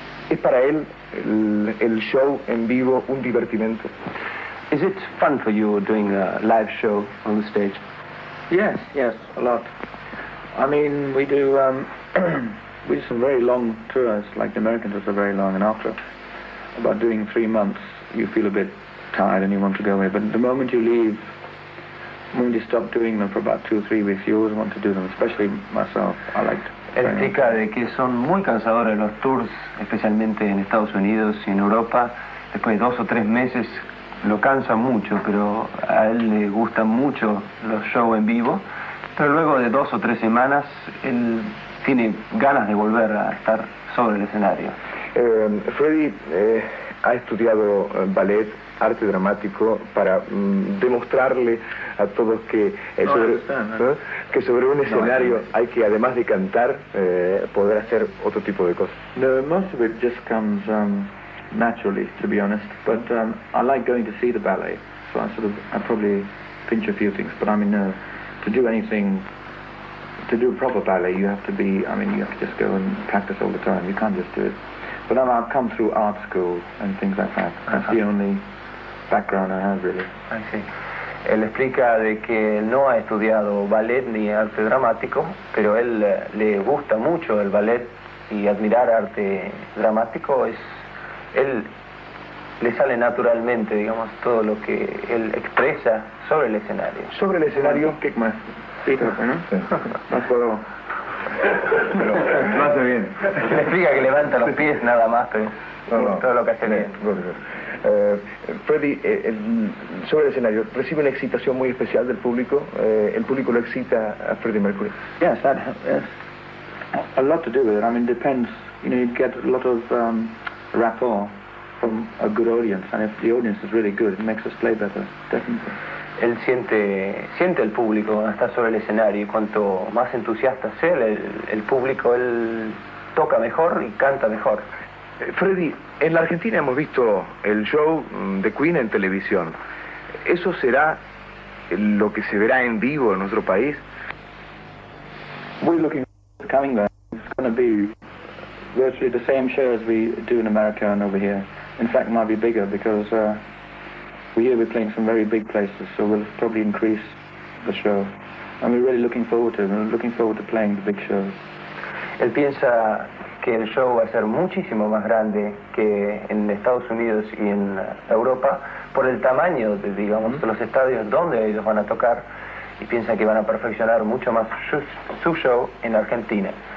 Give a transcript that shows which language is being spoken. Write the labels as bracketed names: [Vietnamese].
[Spanish] ¿Es para él el show en vivo un divertimento? [English] Is it fun for you doing a live show on the stage? Yes, yes, a lot. I mean, we do we do some very long tours, like the Americans are very long, and after about doing 3 months, you feel a bit tired and you want to go away. But the moment you leave, the moment you stop doing them for about 2 or 3 weeks, you always want to do them, especially myself. I like to. [Spanish] Él explica de que son muy cansadores los tours, especialmente en Estados Unidos y en Europa. Después de 2 o 3 meses lo cansa mucho, pero a él le gustan mucho los shows en vivo. Pero luego de 2 o 3 semanas, él tiene ganas de volver a estar sobre el escenario. Freddy ha estudiado ballet, arte dramático, para demostrarle a todos que, que sobre un escenario hay que, además de cantar, poder hacer otro tipo de cosas. [English] No, most of it just comes naturally, to be honest, but I like going to see the ballet, so I probably pinch a few things, but I mean, to do anything, to do a proper ballet, you have to be, I mean, you have to just go and practice all the time, you can't just do it. But I've come through art school and things like that, that's the only background I have, really. I see. [Spanish] Él explica de que no ha estudiado ballet ni arte dramático, pero él le gusta mucho el ballet y admirar arte dramático es... Él le sale naturalmente, digamos, todo lo que él expresa sobre el escenario. ¿Sobre el escenario? ¿Qué más? Sí, no puedo... Pero no hace bien. Le explica que levanta los pies nada más, pero todo lo que hace bien. Freddy, sobre el escenario, ¿recibe una excitación muy especial del público? ¿El público lo excita a Freddy Mercury? [English] Yes, that has a lot to do with it. I mean, it depends, you know, you get a lot of rapport from a good audience, and if the audience is really good, it makes us play better, definitely. [Spanish] Él siente el público cuando está sobre el escenario, y cuanto más entusiasta sea el público, él toca mejor y canta mejor. Freddy, en la Argentina hemos visto el show de Queen en televisión. ¿Eso será lo que se verá en vivo en nuestro país? [English] We're looking at coming there. It's going to be virtually the same show as we do in America and over here. In fact, it might be bigger because we're here we're playing some very big places, so we'll probably increase the show. And we're really looking forward to it. We're looking forward to playing the big shows. [Spanish] Él piensa que el show va a ser muchísimo más grande que en Estados Unidos y en Europa por el tamaño de, digamos, de los estadios donde ellos van a tocar, y piensa que van a perfeccionar mucho más su show en Argentina.